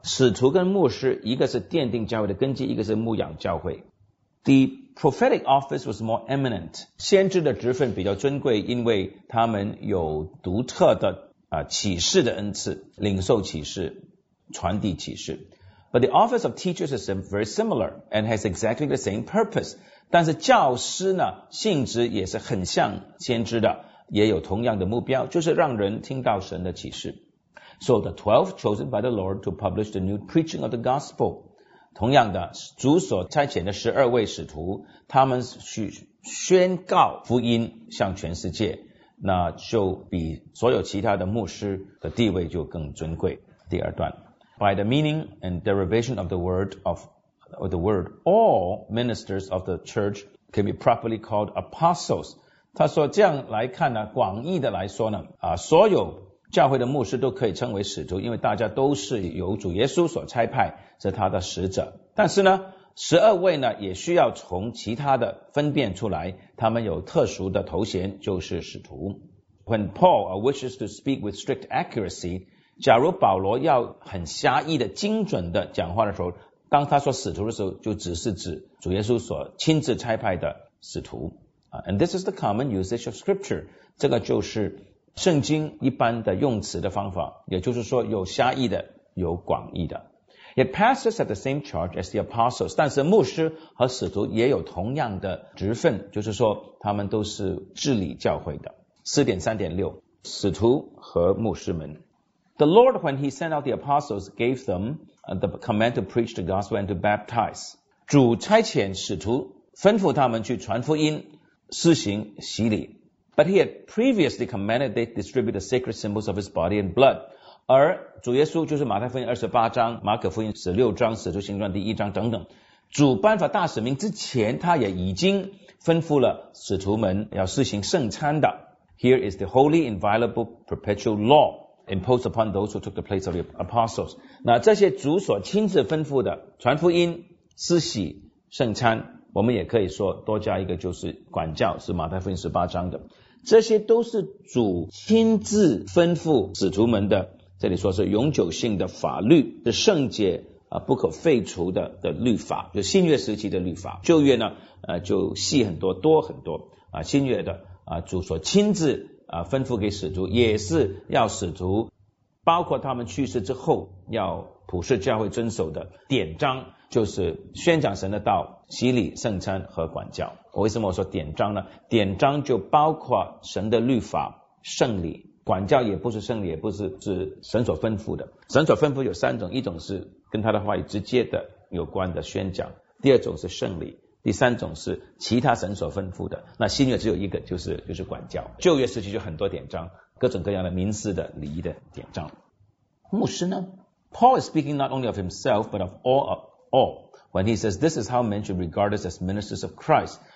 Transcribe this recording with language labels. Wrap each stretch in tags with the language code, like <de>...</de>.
<zh>使徒跟牧师，一个是奠定教会的根基，一个是牧养教会。</zh> <en>The prophetic office was more eminent.</en> <zh>先知的职分比较尊贵，因为他们有独特的启示的恩赐，领受启示，传递启示。</zh> <en>But the office of teachers is very similar and has exactly the same purpose.</en> <zh>但是教师呢，性质也是很像先知的。也有同样的目标，就是让人听到神的启示。</zh> <en>So the 12 chosen by the Lord to publish the new preaching of the gospel.</en> <zh>同样的，主所差遣的12位使徒，他们去宣告福音向全世界，那就比所有其他的牧师的地位就更尊贵。第二段，</zh> <en>By the meaning and derivation of the word all ministers of the church can be properly called apostles.</en> <zh>他说这样来看呢，广义的来说呢，所有教会的牧师都可以称为使徒，因为大家都是由主耶稣所差派，是他的使者。但是呢，十二位呢也需要从其他的分辨出来，他们有特殊的头衔，就是使徒。</zh> <en>When Paul wishes to speak with strict accuracy,</en> <zh>假如保罗要很狭义的精准的讲话的时候，当他说使徒的时候，就只是指主耶稣所亲自差派的使徒。</zh> <en>And this is the common usage of scripture.</en> <zh>这个就是圣经一般的用词的方法，也就是说有狭义的，有广义的。也</zh> <en>pastors have the same charge as the apostles,</en> <zh>但是牧师和使徒也有同样的职分，就是说他们都是治理教会的。 4.3.6, 使徒和牧师们。</zh> <en>The Lord, when he sent out the apostles, gave them the command to preach the gospel and to baptize.</en> <zh>主差遣使徒，吩咐他们去传福音，施行洗礼。</zh> <en>But he had previously commanded they distribute the sacred symbols of his body and blood.</en> <zh>而主耶稣就是马太福音28章、马可福音16章、使徒行传第1章等等。主颁发大使命之前，他也已经吩咐了使徒们要施行圣餐的。</zh> <en>Here is the holy, inviolable, perpetual law imposed upon those who took the place of the apostles.</en> <zh>那这些主所亲自吩咐的传福音、施洗、圣餐，我们也可以说多加一个就是管教，是马太福音18章的。这些都是主亲自吩咐使徒们的，这里说是永久性的法律，是圣洁不可废除的律法，就新约时期的律法。旧约呢就细很多，多很多啊，新约的主所亲自吩咐给使徒，也是要使徒包括他们去世之后要普世教会遵守的典章，就是宣讲神的道、洗礼、圣餐和管教。我为什么我说典章呢？典章就包括神的律法、圣礼、管教，也不是圣礼，也不是是神所吩咐的。神所吩咐有三种，一种是跟他的话语直接的有关的宣讲，第二种是圣礼，第三种是其他神所吩咐的。那新约只有一个，就是管教。旧约时期就很多典章，各种各样的民事的礼仪的典章。牧师呢？</zh> <en>Paul is speaking not only of himself but of all when he says this is how men should regard us as ministers of Christ.</en>